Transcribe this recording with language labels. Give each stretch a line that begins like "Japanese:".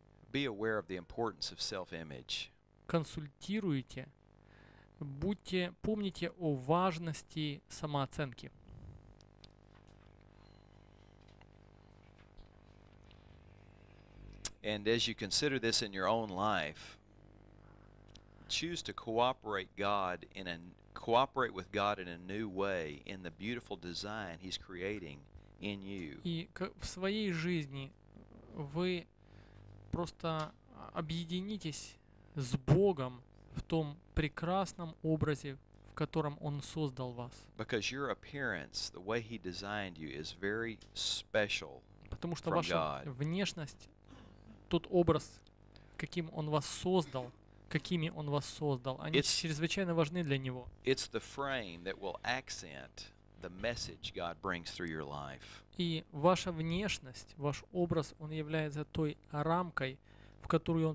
English: Be aware of the importance of self-image.
Russian: Консультируйте. Будьте, помните о важности самооценки.
English: And as you consider this in your own life, choose to cooperate with God in a new way in the beautiful design He's creating in you.
Russian: И в своей жизни вы просто объединитесь с Богом в том прекрасном образе, в котором Он создал вас.
English: Because your appearance, the way He designed you, is very special from God.
Russian: Потому что ваша внешность, тот образ, каким Он вас создал, какими Он вас создал, они чрезвычайно важны для Него.
English: It's the frame that will accent the message God brings through your life.
Russian: И ваша внешность, ваш образ, он является той рамкой, в которую он